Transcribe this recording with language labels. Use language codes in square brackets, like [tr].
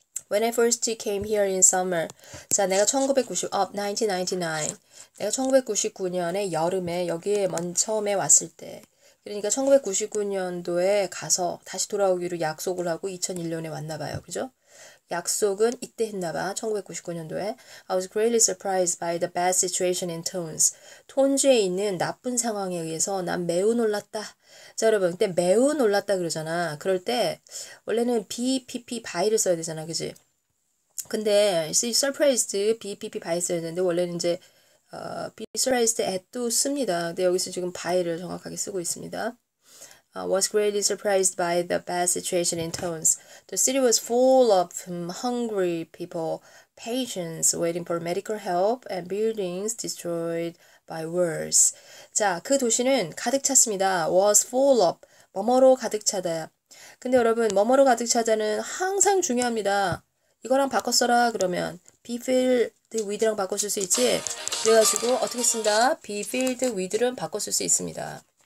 [en] When I first came here in summer. [ko] 자, 내가 1990, 1999. 내가 1999년에 여름에 여기에 처음에 왔을 때. 그러니까 1999년도에 가서 다시 돌아오기로 약속을 하고 2001년에 왔나 봐요. 그죠? 약속은 이때 했나 봐. 1999년도에. [en] I was greatly surprised by the bad situation in tones. [ko] 톤즈에 있는 나쁜 상황에 의해서 난 매우 놀랐다. 자, 여러분, 그때 매우 놀랐다 그러잖아. 그럴 때 원래는 BPP by를 써야 되잖아. 그지? 근데 C surprised BPP 바이스였는데 원래는 이제 B surprised at도 씁니다. 근데 여기서 지금 by를 정확하게 쓰고 있습니다. [en] Was greatly surprised by the bad situation in towns. The city was full of hungry people, patients waiting for medical help, and buildings destroyed by wars. [ko] 자, 그 도시는 가득 찼습니다. [en] Was full of [ko] 뭐뭐로 가득 차다. 근데 여러분, 뭐뭐로 가득 차다는 항상 중요합니다. 이거랑 바꿔 써라 그러면 [en] be filled with [ko] 랑 바꿔 쓸수 있지? 그래가지고 어떻게 쓴다? [en] be filled with [ko] 는 바꿔 쓸수 있습니다.